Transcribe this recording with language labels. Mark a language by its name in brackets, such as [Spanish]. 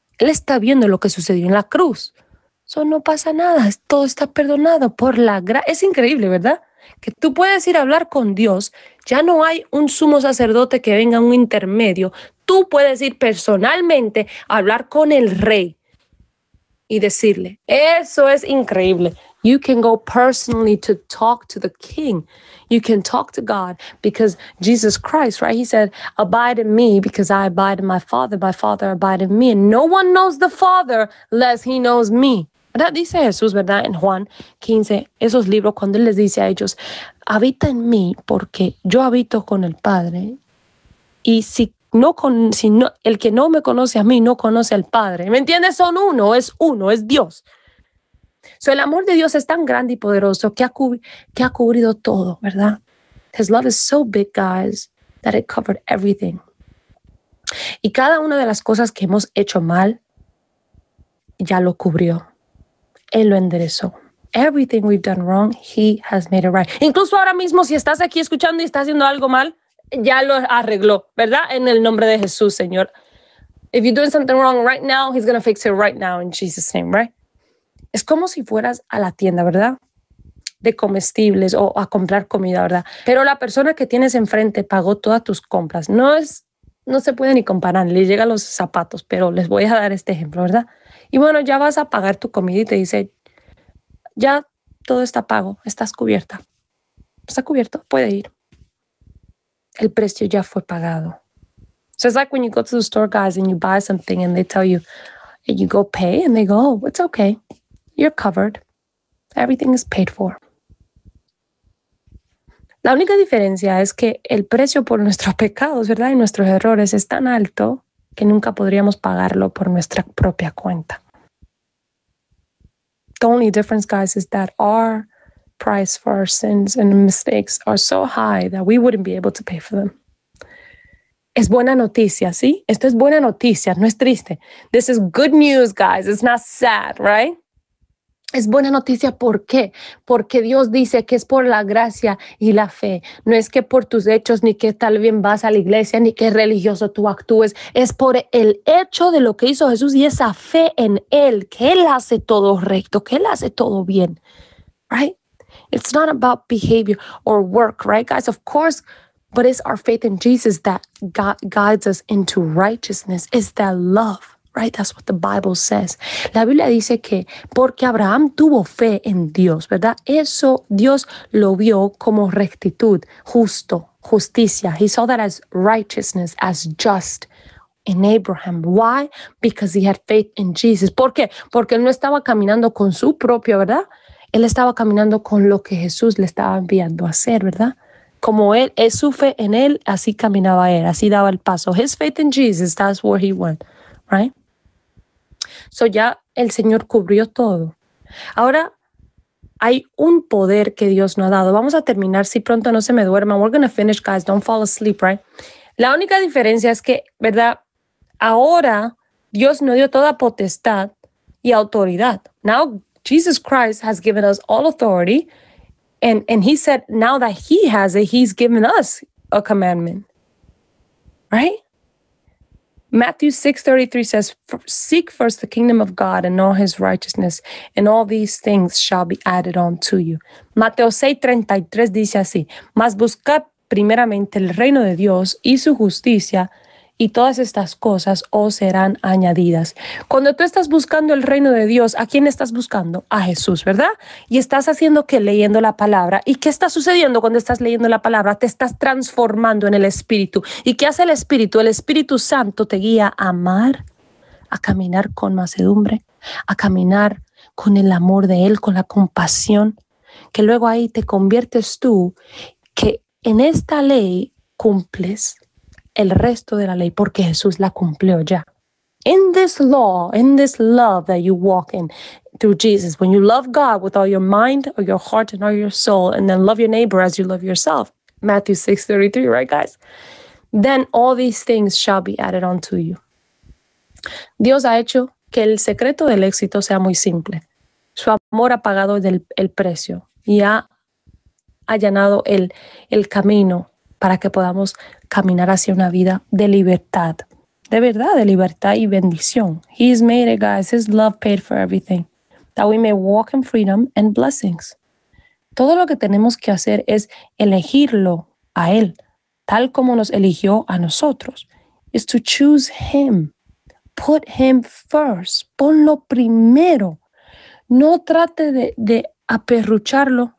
[Spanish] Él está viendo lo que sucedió en la cruz. Eso no pasa nada. Todo está perdonado por la gracia. Es increíble, ¿verdad? Que tú puedes ir a hablar con Dios. Ya no hay un sumo sacerdote que venga, un intermedio. Tú puedes ir personalmente a hablar con el rey y decirle. Eso es increíble. [English] You can go personally to talk to the king. You can talk to God because Jesus Christ, right? He said, abide in me because I abide in my Father. My Father abide in me. And no one knows the Father unless he knows me. [Spanish] ¿Verdad? Dice Jesús, ¿verdad? En Juan 15, esos libros, cuando él les dice a ellos, habita en mí porque yo habito con el Padre. Y si no, el que no me conoce a mí no conoce al Padre. ¿Me entiendes? Son uno, es Dios. So, el amor de Dios es tan grande y poderoso que ha cubrido todo, ¿verdad? [English] His love is so big, guys, that it covered everything. [Spanish] Y cada una de las cosas que hemos hecho mal, ya lo cubrió. Él lo enderezó. [English] Everything we've done wrong, he has made it right. [Spanish] Incluso ahora mismo, si estás aquí escuchando y estás haciendo algo mal, ya lo arregló, ¿verdad? En el nombre de Jesús, Señor. [English] If you're doing something wrong right now, he's going to fix it right now in Jesus' name, right? [Spanish] Es como si fueras a la tienda, ¿verdad? De comestibles o a comprar comida, ¿verdad? Pero la persona que tienes enfrente pagó todas tus compras. No se puede ni comparar. Le llegan los zapatos, pero les voy a dar este ejemplo, ¿verdad? Y bueno, ya vas a pagar tu comida y te dice, ya todo está pago, estás cubierta. Está cubierto, puede ir. El precio ya fue pagado. [English] So it's like when you go to the store, guys, and you buy something and they tell you, and you go pay and they go, oh, it's okay. You're covered. Everything is paid for. [Spanish] La única diferencia es que el precio por nuestros pecados, ¿verdad? Y nuestros errores es tan alto que nunca podríamos pagarlo por nuestra propia cuenta. [English] The only difference, guys, is that our price for our sins and mistakes are so high that we wouldn't be able to pay for them. [Spanish] Es buena noticia, ¿sí? Esto es buena noticia, no es triste. [English] This is good news, guys. It's not sad, right? [Spanish] Es buena noticia, ¿por qué? Porque Dios dice que es por la gracia y la fe. No es que por tus hechos, ni que tal bien vas a la iglesia, ni que religioso tú actúes. Es por el hecho de lo que hizo Jesús y esa fe en Él, que Él hace todo recto, que Él hace todo bien. [English] Right? It's not about behavior or work, right, guys? Of course, but it's our faith in Jesus that guides us into righteousness. It's that love. Right, that's what the Bible says. [Spanish] La Biblia dice que porque Abraham tuvo fe en Dios, ¿verdad? Eso Dios lo vio como rectitud, justo, justicia. [English] He saw that as righteousness, as just in Abraham. Why? Because he had faith in Jesus. [Spanish] ¿Por qué? Porque él no estaba caminando con su propio, ¿verdad? Él estaba caminando con lo que Jesús le estaba enviando a hacer, ¿verdad? Como él, es su fe en él, así caminaba él, así daba el paso. [English] His faith in Jesus, that's where he went. [Spanish] Right? So ya el Señor cubrió todo. Ahora hay un poder que Dios nos ha dado. Vamos a terminar, si pronto no se me duerma. [English] We're going to finish, guys. Don't fall asleep, right? [Spanish] La única diferencia es que, ¿verdad? Ahora Dios nos dio toda potestad y autoridad. [English] Now Jesus Christ has given us all authority. And he said, now that he has it, he's given us a commandment. Right? Matthew 6:33 says, "Seek first the kingdom of God and all his righteousness, and all these things shall be added on to you." [Spanish] Mateo 6:33 dice así: "Mas buscad primeramente el reino de Dios y su justicia, y todas estas cosas os serán añadidas." Cuando tú estás buscando el reino de Dios, ¿a quién estás buscando? A Jesús, ¿verdad? Y estás haciendo que leyendo la palabra. ¿Y qué está sucediendo cuando estás leyendo la palabra? Te estás transformando en el Espíritu. ¿Y qué hace el Espíritu? El Espíritu Santo te guía a amar, a caminar con mansedumbre, a caminar con el amor de Él, con la compasión, que luego ahí te conviertes tú, que en esta ley cumples el resto de la ley, porque Jesús la cumplió ya. [English] In this law, in this love that you walk in through Jesus, when you love God with all your mind, or your heart, and all your soul, and then love your neighbor as you love yourself, Matthew 6:33, right, guys? Then all these things shall be added unto you. [Spanish] Dios ha hecho que el secreto del éxito sea muy simple. Su amor ha pagado el precio y ha allanado el camino para que podamos caminar hacia una vida de libertad. De verdad, de libertad y bendición. [English] He's made it, guys. His love paid for everything. That we may walk in freedom and blessings. [Spanish] Todo lo que tenemos que hacer es elegirlo a Él, tal como nos eligió a nosotros. [English] Is to choose Him. Put Him first. [Spanish] Ponlo primero. No trate de aperrucharlo.